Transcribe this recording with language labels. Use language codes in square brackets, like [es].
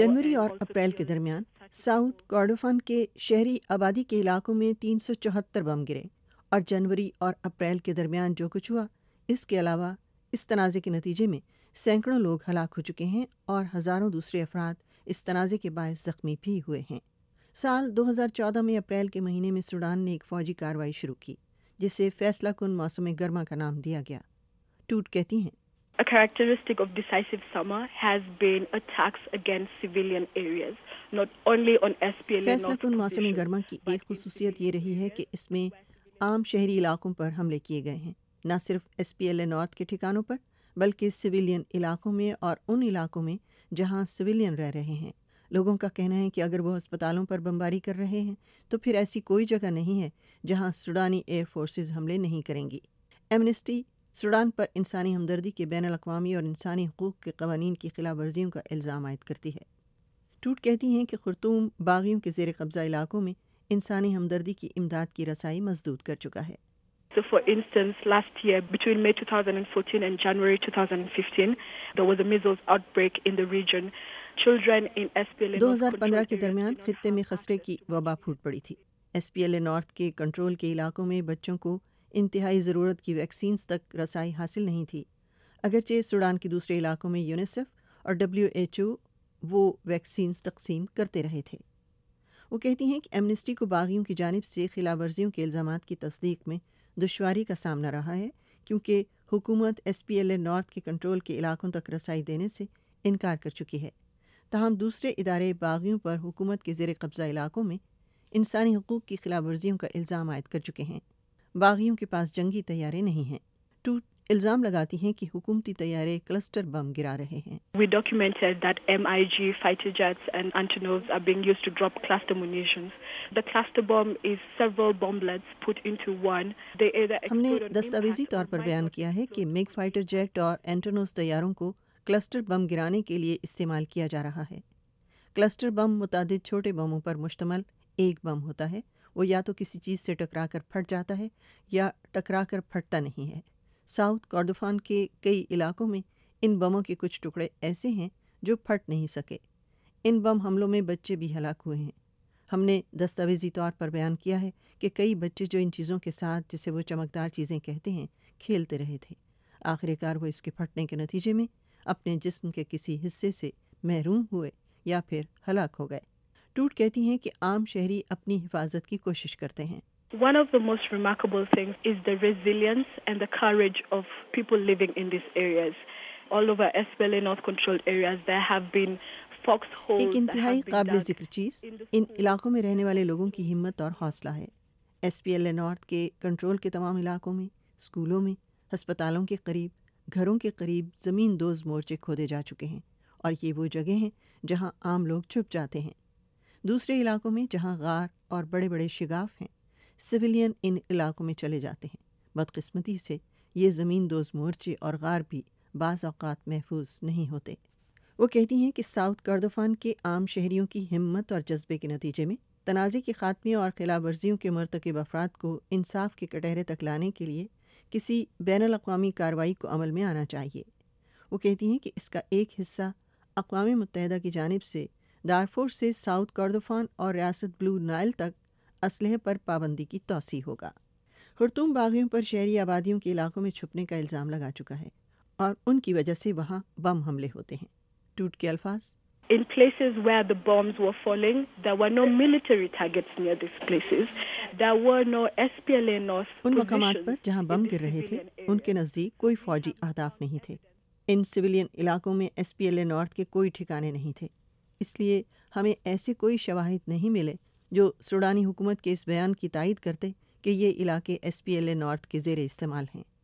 [ur] جنوری اور اپریل کے درمیان ساؤتھ کارڈوفان کے شہری آبادی کے علاقوں میں 374 بم گرے، اور جنوری اور اپریل کے درمیان جو کچھ ہوا اس کے علاوہ اس تنازع کے نتیجے میں سینکڑوں لوگ ہلاک ہو چکے ہیں اور ہزاروں دوسرے افراد اس تنازع کے باعث زخمی بھی ہوئے ہیں۔ سال 2014 میں اپریل کے مہینے میں سوڈان نے ایک فوجی کارروائی شروع کی جسے فیصلہ کن موسم گرما کا نام دیا گیا۔ ٹوٹ کہتی ہیں، [en] A characteristic of decisive summer has been attacks against civilian areas, not only on SPLA. [ur] فیصلہ کن موسم گرما کی ایک خصوصیت یہ رہی ہے کہ اس میں عام شہری علاقوں پر حملے کیے گئے ہیں، نہ صرف S P L A north کے ٹھکانوں پر بلکہ سویلین علاقوں میں اور ان علاقوں میں جہاں سویلین رہ رہے ہیں۔ لوگوں کا کہنا ہے کہ اگر وہ ہسپتالوں پر بمباری کر رہے ہیں تو پھر ایسی کوئی جگہ نہیں ہے جہاں سوڈانی ایئر فورسز حملے نہیں کریں گی۔ ایمنسٹی سوڈان پر انسانی ہمدردی کے بین الاقوامی اور انسانی حقوق کے قوانین کی خلاف ورزیوں کا الزام عائد کرتی ہے۔ ٹوٹ کہتی ہیں کہ خرطوم باغیوں کے زیر قبضہ علاقوں میں انسانی ہمدردی کی امداد کی رسائی مسدود کر چکا ہے۔ [en] So for instance, last year between May 2014 and January 2015, there was a measles outbreak in the region. Children in SPLA [ur] 2015 کے درمیان خطے میں خسرے کی وبا پھوٹ پڑی تھی۔ SPLA نارتھ کے کنٹرول کے علاقوں میں بچوں کو انتہائی ضرورت کی ویکسینز تک رسائی حاصل نہیں تھی، اگرچہ سوڈان کے دوسرے علاقوں میں یونیسیف اور WHO وہ ویکسینز تقسیم کرتے رہے تھے۔ وہ کہتی ہیں کہ ایمنسٹی کو باغیوں کی جانب سے خلاف ورزیوں کے الزامات کی تصدیق میں دشواری کا سامنا رہا ہے کیونکہ حکومت S P L A north کے کنٹرول کے علاقوں تک رسائی دینے سے انکار کر چکی ہے، تاہم دوسرے ادارے باغیوں پر حکومت کے زیر قبضہ علاقوں میں انسانی حقوق کی خلاف ورزیوں کا الزام عائد کر چکے ہیں۔ باغیوں کے پاس جنگی طیارے نہیں ہیں۔ ٹوٹ الزام لگاتی ہیں کہ حکومتی طیارے کلسٹر بم گرا رہے ہیں۔ [en] We documented that MIG fighter jets and Antonovs are being used to drop cluster munitions. The cluster bomb is several bomblets put into one. They either [ur] ہم نے دستاویزی طور پر بیان کیا ہے کہ میگ فائٹر جیٹ اور اینٹونوز طیاروں کو کلسٹر بم گرانے کے لیے استعمال کیا جا رہا ہے۔ کلسٹر بم متعدد چھوٹے بموں پر مشتمل ایک بم ہوتا ہے، وہ یا تو کسی چیز سے ٹکرا کر پھٹ جاتا ہے یا ٹکرا کر پھٹتا نہیں ہے۔ ساؤتھ کارڈوفان کے کئی علاقوں میں ان بموں کے کچھ ٹکڑے ایسے ہیں جو پھٹ نہیں سکے۔ ان بم حملوں میں بچے بھی ہلاک ہوئے ہیں۔ ہم نے دستاویزی طور پر بیان کیا ہے کہ کئی بچے جو ان چیزوں کے ساتھ، جسے وہ چمکدار چیزیں کہتے ہیں، کھیلتے رہے تھے، آخر کار وہ اس کے پھٹنے کے نتیجے میں اپنے جسم کے کسی حصے سے محروم ہوئے یا پھر ہلاک ہو گئے۔ ٹوٹ کہتی ہیں کہ عام شہری اپنی حفاظت کی کوشش کرتے ہیں۔ [en] One of the most remarkable things is the resilience and the courage of people living in these areas. All over SPLA North controlled areas there have been foxholes. [ur] ایک انتہائی قابل ذکر چیز ان علاقوں میں رہنے والے لوگوں کی ہمت اور حوصلہ ہے۔ SPLA North کے کنٹرول کے تمام علاقوں میں، اسکولوں میں، ہسپتالوں کے قریب، گھروں کے قریب زمین دوز مورچے کھودے جا چکے ہیں اور یہ وہ جگہ ہیں جہاں عام لوگ چھپ جاتے ہیں۔ دوسرے علاقوں میں جہاں غار اور بڑے بڑے شگاف ہیں، سویلین ان علاقوں میں چلے جاتے ہیں۔ بدقسمتی سے یہ زمین دوز مورچے اور غار بھی بعض اوقات محفوظ نہیں ہوتے۔ وہ کہتی ہیں کہ ساؤتھ کردوفان کے عام شہریوں کی ہمت اور جذبے کے نتیجے میں تنازع کے خاتمے اور خلاف ورزیوں کے مرتکب افراد کو انصاف کے کٹہرے تک لانے کے لیے کسی بین الاقوامی کارروائی کو عمل میں آنا چاہیے۔ وہ کہتی ہیں کہ اس کا ایک حصہ اقوام متحدہ کی جانب سے دارفور سے ساؤتھ کردوفان اور ریاست بلو نائل تک اسلحے پر پابندی کی توسیع ہوگا۔ خرطوم باغیوں پر شہری آبادیوں کے علاقوں میں چھپنے کا الزام لگا چکا ہے اور ان کی وجہ سے وہاں بم حملے ہوتے ہیں۔ ٹوٹ کے الفاظ، [en] In places where the bombs were falling, there were no military targets near these places. There were no SPLA North positions. [ur] ان مقامات پر جہاں بم گر رہے تھے ان کے نزدیک کوئی فوجی اہداف نہیں تھے۔ ان سویلین علاقوں میں SPLA North کے کوئی ٹھکانے نہیں تھے، اس لیے ہمیں ایسے کوئی شواہد نہیں ملے جو سوڈانی حکومت کے اس بیان کی تائید کرتے کہ یہ علاقے S P L A north کے زیر استعمال ہیں۔